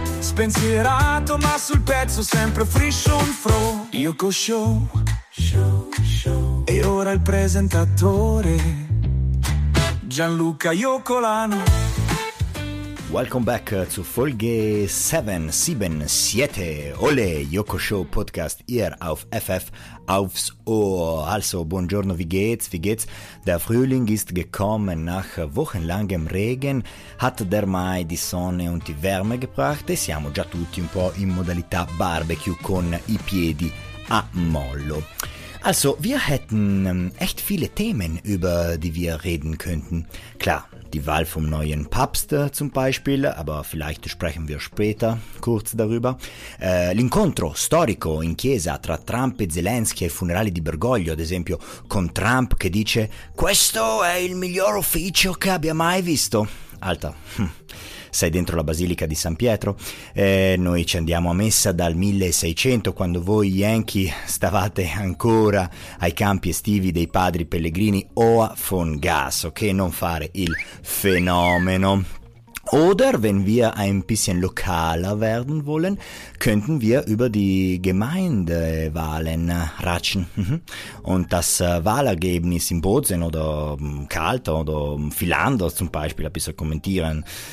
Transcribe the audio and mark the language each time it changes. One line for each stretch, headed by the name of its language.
Italian: Spensierato ma sul pezzo, sempre
English: fresh on fro. Yoko Show, show, show.
Italian: E ora il presentatore Gianluca Iocolano.
English: Welcome back to
German: Folge 7, 7, 7, Ole Yoko Show Podcast hier auf FF aufs Ohr. Also, buongiorno, wie geht's, wie geht's? Der Frühling ist gekommen nach wochenlangem Regen, hat der Mai die Sonne und die Wärme gebracht
Italian: e siamo già tutti un po' in modalità barbecue con i piedi a mollo.
German: Also, wir hätten echt viele Themen, über die wir reden könnten. Klar, die Wahl vom neuen Papst zum Beispiel, aber vielleicht sprechen wir später kurz darüber.
Italian: L'incontro storico in chiesa tra Trump e Zelensky ai funerali di Bergoglio, ad esempio, con Trump che dice «Questo è il miglior ufficio che abbia mai visto». Alta, sei dentro la Basilica di San Pietro? Noi ci andiamo a messa dal 1600, quando voi Yankee stavate ancora ai campi estivi dei padri pellegrini Oa von Gas, ok? Non fare il fenomeno.
German: Oder wenn wir ein bisschen lokaler werden wollen, könnten wir über die Gemeindewahlen ratschen. Und das Wahlergebnis in Bozen oder Kalta oder Philando zum Beispiel ein bisschen kommentieren.